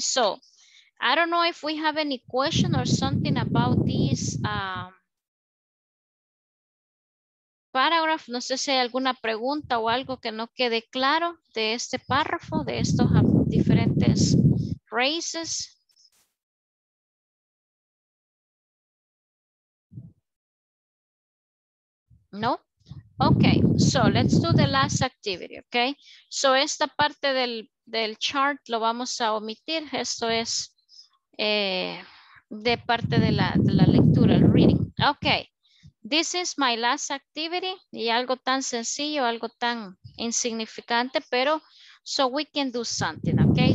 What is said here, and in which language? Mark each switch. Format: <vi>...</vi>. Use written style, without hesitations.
<en>So, I don't know if we have any question or something about this paragraph.</en> <es>No sé si hay alguna pregunta o algo que no quede claro de este párrafo, de estos diferentes races. No?</es> <en>Okay, so let's do the last activity, okay?</en> <es>So esta parte del chart lo vamos a omitir. Esto es de parte de la lectura, el reading.</es> <en>Okay, this is my last activity.</en> <es>Y algo tan sencillo, algo tan insignificante, pero</es> <en>so we can do something, okay?</en>